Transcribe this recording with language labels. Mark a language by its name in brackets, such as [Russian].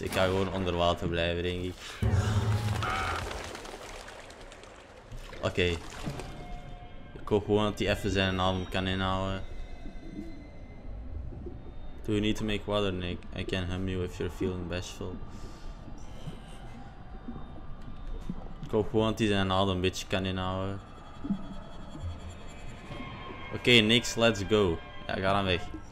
[Dutch] Ik ga gewoon onder water blijven, denk ik. Oké. Okay. Ik hoop gewoon dat hij even zijn adem kan inhouden. [English] Do you need to make water, Nick? I can help you if you're feeling bashful. [Dutch] Ik hoop gewoon dat hij zijn adem een beetje kan inhouden. Oké, okay, Nick, [English] let's go. [Dutch] Ja, ga dan weg.